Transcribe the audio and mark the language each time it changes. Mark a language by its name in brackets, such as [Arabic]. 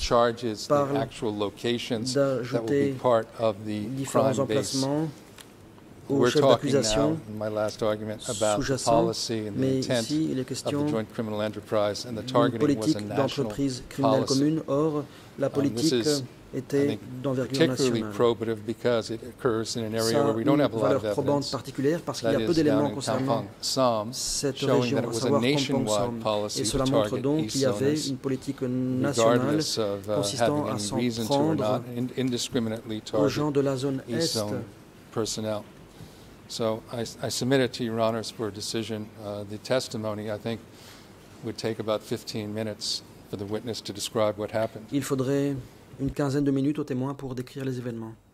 [English] charges the actual locations that will be part of the crime base. [French] Au [English] We're [French] chef d'accusation sous-jacent, mais ici il est question d'une politique d'entreprise criminelle commune. Or, la politique était d'envergure nationale. Ça a une valeur probante particulière parce qu'il y a peu d'éléments concernant cette région, à savoir Kampong-Som. Et cela montre donc qu'il y avait une politique nationale consistant à s'en prendre aux gens de la zone est. [English] So I submit it to your honors for a decision. The testimony, I think, would take about 15 minutes for the witness to describe what happened. [French] Il faudrait une quinzaine de minutes au témoin pour décrire les événements.